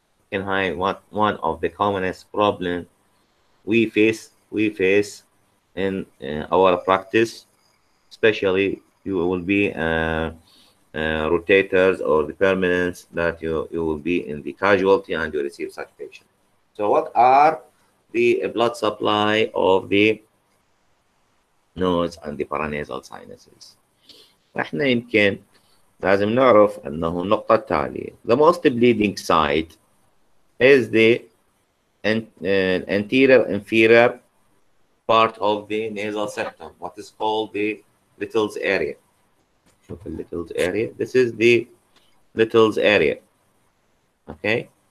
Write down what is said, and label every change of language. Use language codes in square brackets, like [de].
[en] In high one of the commonest problem we face in our practice, especially you will be rotators or the permanents, that you will be in the casualty and you receive such patient. So what are the blood supply of the nose and the paranasal sinuses. [ar] احنا يمكن لازم نعرف انه النقطة التالية. [en] The most bleeding site is the anterior inferior part of the nasal septum, what is called the Little's area. [ar] شوف ال [en] Little's area. This is the Little's area. Okay.